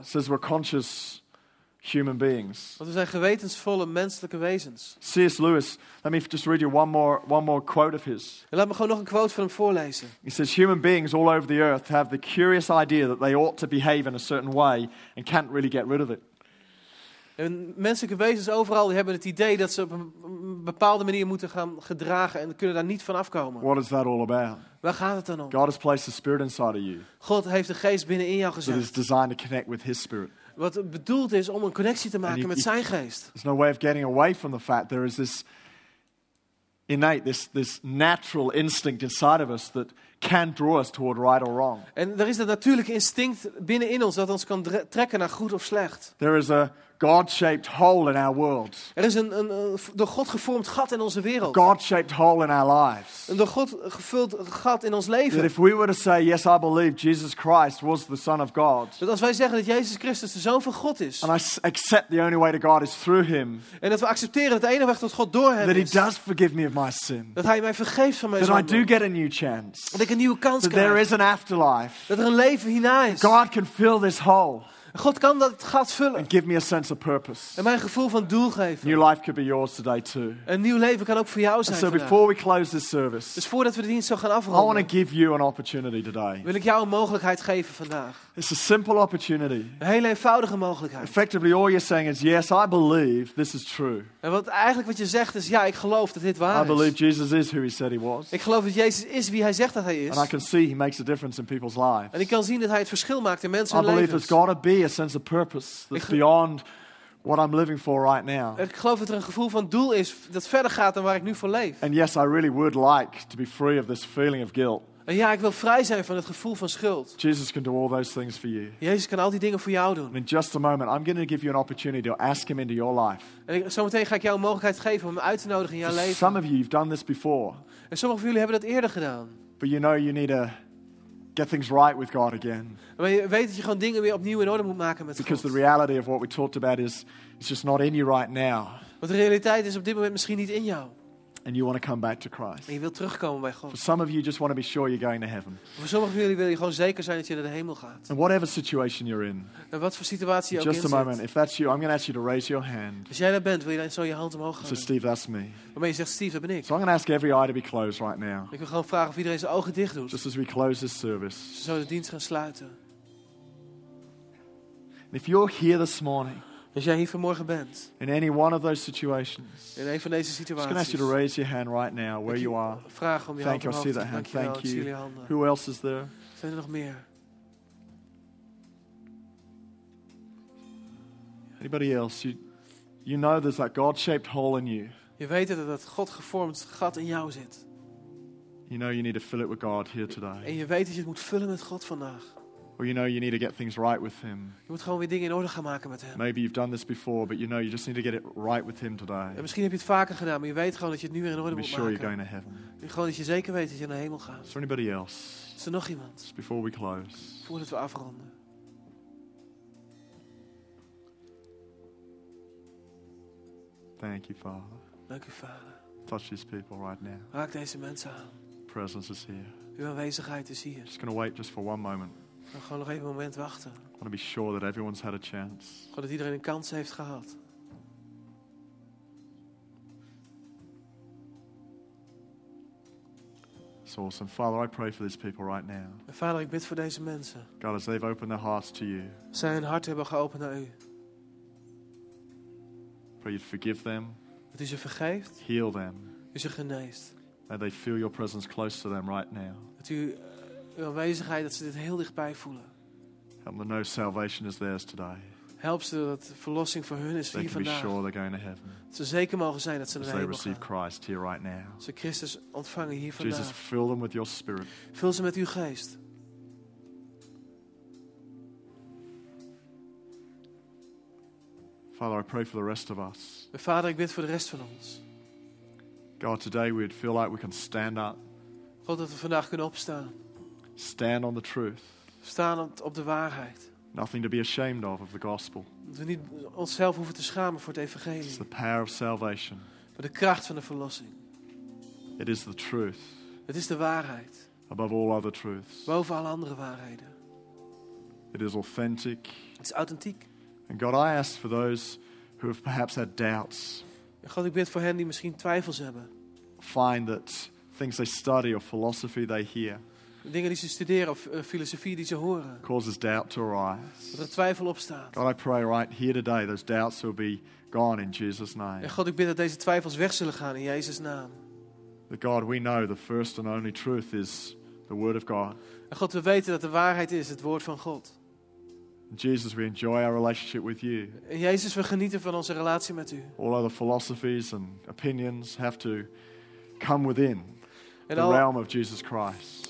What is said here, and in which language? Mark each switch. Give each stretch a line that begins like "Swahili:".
English: Since we're conscious human beings.
Dutch: Want we zijn gewetensvolle menselijke wezens.
English: C.S. Lewis, let me just read you one more quote of his.
Dutch: En laat me gewoon nog een quote van hem voorlezen.
English: He says, human beings all over the earth have the curious idea that they ought to behave in a certain way and can't really get rid of it.
Dutch: En menselijke wezens overal die hebben het idee dat ze op een bepaalde manier moeten gaan gedragen en kunnen daar niet van afkomen.
English: What is that all about?
Dutch: Waar gaat het dan om?
English: God has placed the spirit inside of you.
Dutch: God heeft de geest binnenin jou gezet.
English: That is designed to connect with his spirit.
Dutch: Wat bedoeld is om een connectie te maken met zijn geest.
English: There's no way of getting away from the fact there is this innate, this natural instinct inside of us that can draw us toward right or wrong.
Dutch: En er is dat natuurlijke instinct binnenin ons dat ons kan trekken naar goed of slecht.
English: There is a God-shaped hole in our world.
Dutch: Er is een door God gevormd gat in onze wereld.
English: A God-shaped hole in our lives.
Dutch: Een door God gevuld gat in ons leven.
English: That if we were to say, yes, I believe Jesus Christ was the Son of God.
Dutch: Dat als wij zeggen dat Jezus Christus de Zoon van God is.
English: And I accept the only way to God is through him.
Dutch: En dat we accepteren dat de enige weg tot God door hem is.
English: That he does forgive me of my sin.
Dutch: Dat hij mij vergeeft van mijn zonde.
English: That I do get a new chance.
Dutch: Dat ik een nieuwe kans krijg.
English: That there is an afterlife.
Dutch: Dat er een leven hierna is.
English: God can fill this hole.
Dutch: God kan dat gat vullen.
English: And give me a sense of purpose.
Dutch: En mijn gevoel van doel geven.
English: New life could be yours today too.
Dutch: Een nieuw leven kan ook voor jou zijn.
English: And so before we close this service.
Dutch: Dus voordat we de dienst zo gaan afronden.
English: I want to give you an opportunity today.
Dutch: Wil ik jou een mogelijkheid geven vandaag.
English: It's a simple opportunity.
Dutch: Een hele eenvoudige mogelijkheid.
English: Effectively all you're saying is yes, I believe this is true.
Dutch: En wat eigenlijk wat je zegt is ja, ik geloof dat dit waar is.
English: I believe Jesus is who he said he was.
Dutch: Ik geloof dat Jezus is wie hij zegt dat hij is.
English: And I can see he makes a difference in people's lives.
Dutch: En ik kan zien dat hij het verschil maakt in mensen hun levens.
English: I believe there's got to be a sense of purpose that's beyond what I'm living for right now.
Dutch: Ik geloof dat er een gevoel van doel is dat verder gaat dan waar ik nu voor leef.
English: And yes, I really would like to be free of this feeling of guilt.
Dutch: Ja, ik wil vrij zijn van het gevoel van schuld.
English: Jesus can do all those things for you.
Dutch: Jezus kan al die dingen voor jou doen.
English: In just a moment, I'm going to give you an opportunity to ask him into your life.
Dutch: En zometeen ga ik jou een mogelijkheid geven om hem uit te nodigen in jouw leven.
English: Some of you, you've done this before.
Dutch: En sommige van jullie hebben dat eerder gedaan.
English: But you know you need to get things right with God again.
Dutch: Maar je weet dat je gewoon dingen weer opnieuw in orde moet maken met God.
English: Because the reality of what we talked about is it's just not in you right now.
Dutch: Want de realiteit is op dit moment misschien niet in jou.
English: And you want to come back to Christ.
Dutch: En je wilt terugkomen bij God.
English: For some of you just want to be sure you're going to heaven.
Dutch: Voor sommige van jullie wil je gewoon zeker zijn dat je naar de hemel gaat.
English: And whatever situation you're in.
Dutch: En wat voor situatie je ook in zit.
English: Just a moment, if that's you, I'm going to ask you to raise your hand.
Dutch: Als jij dat bent, wil je dan zo je hand omhoog gaan.
English: So Steve, that's me.
Dutch: Waarmee je zegt, Steve, dat ben ik.
English: So I'm going to ask every eye to be closed right now.
Dutch: Ik wil gewoon vragen of iedereen zijn ogen dicht doet.
English: Just as we close this service.
Dutch: Zo de dienst gaan sluiten.
English: And if you're here this morning.
Dutch: Als jij hier vanmorgen bent.
English: In any one of those situations.
Dutch: In een van deze situaties.
English: I'm going to ask you to raise your hand right now, where you are.
Dutch: Vraag om je hand omhoog.
English: I see that hand. Thank you. Who else is there?
Dutch: Zijn er nog meer?
English: Anybody else? You know there's that God-shaped hole in you.
Dutch: Je weet dat dat God gevormd gat in jou zit.
English: You know you need to fill it with God here today.
Dutch: En je weet dat je het moet vullen met God vandaag.
English: Or you know you need to get things right with him.
Dutch: Je moet gewoon weer dingen in orde gaan maken met hem.
English: Maybe you've done this before, but you know you just need to get it right with him today.
Dutch: En misschien heb je het vaker gedaan, maar je weet gewoon dat je het nu weer in orde moet maken.
English: Be sure you're going to heaven.
Dutch: Gewoon dat je zeker weet dat je naar hemel gaat.
English: Is there anybody else?
Dutch: Is er nog iemand?
English: Just before we close.
Dutch: Voordat we afronden.
English: Thank you, Father.
Dutch: Dank u, Vader.
English: Touch these people right now.
Dutch: Raak deze mensen aan.
English: Presence is here.
Dutch: Uw aanwezigheid is hier.
English: Just gonna wait just for one moment.
Dutch: Gewoon nog even een moment wachten.
English: I want to be sure that everyone's had a chance.
Dutch: Gewoon dat iedereen een kans heeft gehad.
English: It's awesome. Father, I pray for these people right now.
Dutch: Vader, ik bid voor deze mensen.
English: God, as they've opened their hearts to you.
Dutch: Zij hun hart hebben geopend naar u.
English: Pray you'd forgive them.
Dutch: Dat u ze vergeeft.
English: Heal them.
Dutch: U ze geneest.
English: That they feel your presence close to them right now.
Dutch: Dat u uw aanwezigheid, dat ze dit heel dichtbij voelen.
English: Help them know salvation is theirs today.
Dutch: Help ze dat verlossing voor hun is
English: they
Dutch: hier vandaag.
English: They can be sure they're going to heaven.
Dutch: Dat ze zeker mogen zijn dat ze naar hemel gaan.
English: They receive Christ here right now.
Dutch: Ze Christus ontvangen hier vandaag.
English: Jesus, fill them with your spirit.
Dutch: Vul ze met uw geest.
English: Father, I pray for the rest of us.
Dutch: Vader, ik bid voor de rest van ons.
English: God, today we'd feel like we can stand up.
Dutch: God, dat we vandaag kunnen opstaan.
English: Stand on the truth.
Dutch: Staan op de waarheid.
English: Nothing to be ashamed of the gospel.
Dutch: Dat we niet onszelf hoeven te schamen voor het evangelie.
English: It's the power of salvation.
Dutch: Voor de kracht van de verlossing.
English: It is the truth.
Dutch: Het is de waarheid.
English: Above all other truths.
Dutch: Boven alle andere waarheden.
English: It is authentic.
Dutch: Het is authentiek.
English: And God, I ask for those who have perhaps had doubts.
Dutch: God, ik bid voor hen die misschien twijfels hebben.
English: Find that things they study or philosophy they hear.
Dutch: Dingen die ze studeren of filosofie die ze horen.
English: Causes doubt to arise.
Dutch: Dat er twijfel opstaat.
English: God, I pray right here today those doubts will be gone in Jesus' name.
Dutch: En God, ik bid dat deze twijfels weg zullen gaan in Jezus' naam.
English: That God, we know the first and only truth is the Word of God.
Dutch: En God, we weten dat de waarheid is het Woord van God.
English: Jesus, we enjoy our relationship with you.
Dutch: En Jezus, we genieten van onze relatie met u.
English: All other philosophies and opinions have to come within. The realm of Jesus Christ.